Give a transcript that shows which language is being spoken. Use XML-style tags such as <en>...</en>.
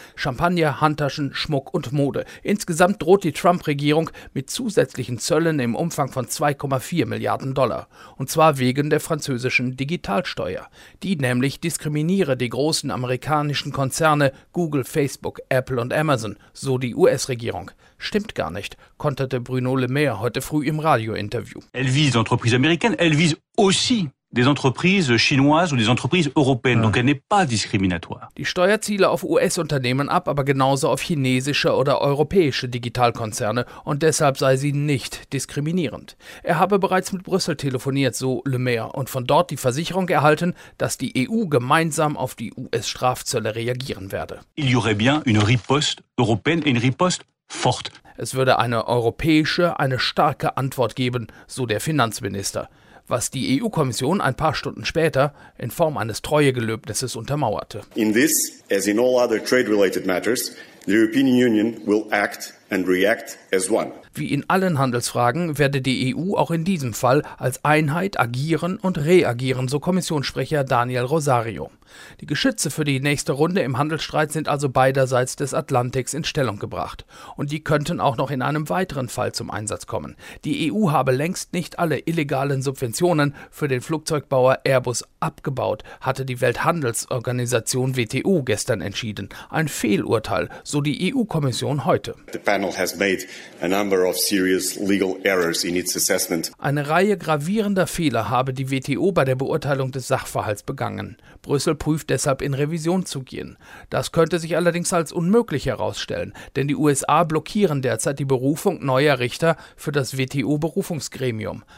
<de>Champagner, Handtaschen, Schmuck und Mode. Insgesamt droht die Trump-Regierung mit zusätzlichen Zöllen im Umfang von 2,4 Milliarden Dollar. Und zwar wegen der französischen Digitalsteuer. Die nämlich diskriminiere die großen amerikanischen Konzerne Google, Facebook, Apple und Amazon, so die US-Regierung. Stimmt gar nicht, konterte Bruno Le Maire heute früh im Radiointerview.</de> <fr>Elle vise entreprises américaines, elle vise aussi des entreprises chinoises ou des entreprises européennes, donc elle n'est pas discriminatoire.</fr> <de>Die Steuer ziele auf US-Unternehmen ab, aber genauso auf chinesische oder europäische Digitalkonzerne und deshalb sei sie nicht diskriminierend. Er habe bereits mit Brüssel telefoniert, so Le Maire, und von dort die Versicherung erhalten, dass die EU gemeinsam auf die US-Strafzölle reagieren werde.</de> <fr>Il y aurait bien une riposte européenne et une riposte fort.</fr> <de>Es würde eine europäische, eine starke Antwort geben, so der Finanzminister. Was die EU-Kommission ein paar Stunden später in Form eines Treuegelöbnisses untermauerte.</de> <en>In this, as in all other trade-related matters, the European Union will act and react as one.</en> <de>Wie in allen Handelsfragen werde die EU auch in diesem Fall als Einheit agieren und reagieren, so Kommissionssprecher Daniel Rosario. Die Geschütze für die nächste Runde im Handelsstreit sind also beiderseits des Atlantiks in Stellung gebracht. Und die könnten auch noch in einem weiteren Fall zum Einsatz kommen. Die EU habe längst nicht alle illegalen Subventionen für den Flugzeugbauer Airbus abgebaut, hatte die Welthandelsorganisation WTO gestern entschieden. Ein Fehlurteil, so die EU-Kommission heute.</de> <en>The panel has made a number of serious legal errors in its assessment.</en> <de>Eine Reihe gravierender Fehler habe die WTO bei der Beurteilung des Sachverhalts begangen. Brüssel prüft deshalb, in Revision zu gehen. Das könnte sich allerdings als unmöglich herausstellen, denn die USA blockieren derzeit die Berufung neuer Richter für das WTO-Berufungsgremium.</de>